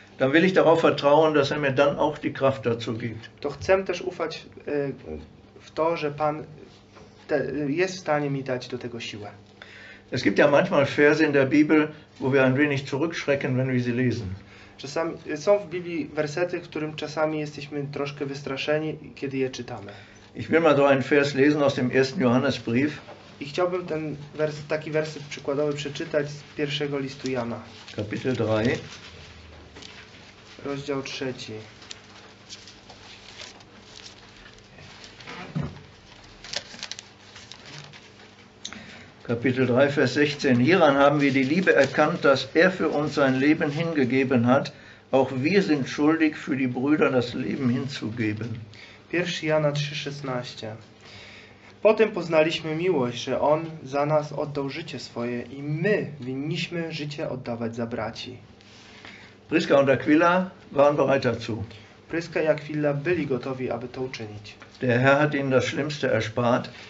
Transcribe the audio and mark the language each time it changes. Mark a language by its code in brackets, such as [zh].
[de] dann will ich darauf vertrauen, dass er mir dann auch die Kraft dazu gibt. [pl] To chcę też ufać w to, że Pan jest w stanie mi dać do tego siłę. [de] Es gibt ja manchmal Verse in der Bibel, wo wir ein wenig zurückschrecken, wenn wir sie lesen. [pl] Czasami są w Biblii wersety, którym czasami jesteśmy troszkę wystraszeni, kiedy je czytamy. [de] Ich will mal so einen Vers lesen aus dem ersten Johannesbrief. [pl] I chciałbym ten werset, taki werset przykładowy przeczytać z pierwszego listu Jana. [de] Kapitel 3. [pl] Rozdział 3. [de] Kapitel 3, Vers 16. Hieran haben wir die Liebe erkannt, dass er für uns sein Leben hingegeben hat. Auch wir sind schuldig, für die Brüder das Leben hinzugeben. [pl] 1 Jana 3, 16. Potem poznaliśmy miłość, że On za nas oddał życie swoje i my winniśmy życie oddawać za braci. [de] Priska und Aquila waren bereit dazu. [pl] Priska i Aquila byli gotowi, aby to uczynić. [de] Der Herr hat ihnen das Schlimmste erspart.